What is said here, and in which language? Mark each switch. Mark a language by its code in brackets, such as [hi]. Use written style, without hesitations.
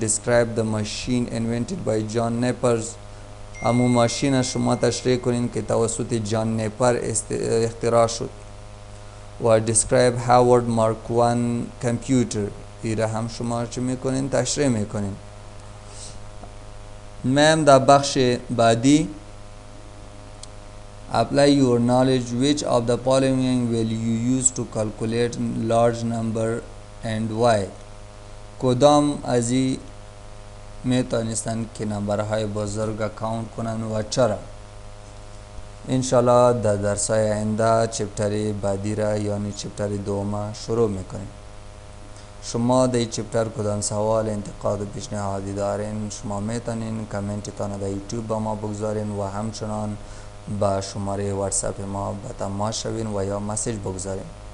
[en] Describe the machine invented by John Nepers. [fa] امو ماشین شما تشریح کنین که توسط جان نپر اختراع شد. [en] و Describe Howard Mark I computer. [fa] ایره هم شما چه میکنین؟ تشریح میکنین. میم در بخش بعدی [en] Apply your knowledge which of the polynomial will you use to calculate large number and why. [fa] کدام از این میتونستن که نمبرهای بزرگ کاونت کنن و چرا؟ انشاءالله در درس های آینده چپتر بعدی را یعنی چپتر دوم شروع میکنیم. شما در چپتر کدام سوال انتقاد و پیشنهادی دارین شما میتونین کامنت تان در یوتیوب با ما بگذارین و همچنان با شماره واتساپ ما به تماس شوین و یا مسیج بگذارین.